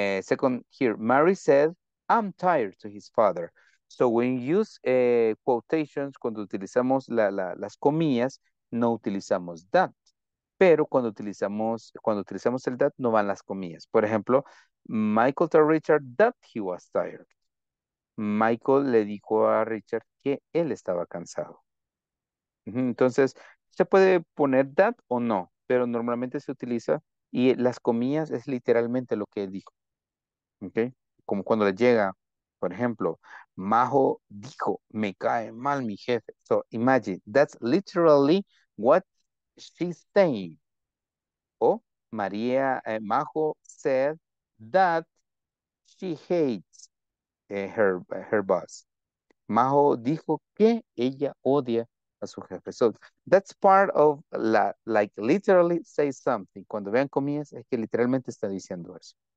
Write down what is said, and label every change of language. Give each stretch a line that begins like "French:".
English: Second here, Mary said, I'm tired to his father. So when you use quotations,
Spanish: cuando utilizamos las comillas, no utilizamos that. Pero cuando utilizamos el that, no van las comillas. Por ejemplo,
English: Michael told Richard that he was tired.
Spanish: Michael le dijo a Richard que él estaba cansado. Entonces, se puede poner that o no, pero normalmente se utiliza y las comillas es literalmente lo que él dijo. ¿Okay? Como cuando le llega, por ejemplo, Majo dijo, me cae mal mi jefe.
English: So imagine, that's literally what she's saying. O María, Majo said that she hates her boss.
Spanish: Majo dijo que ella odia a su jefe.
English: So that's part of like literally say something.
Spanish: Cuando vean comillas es que literalmente está diciendo eso.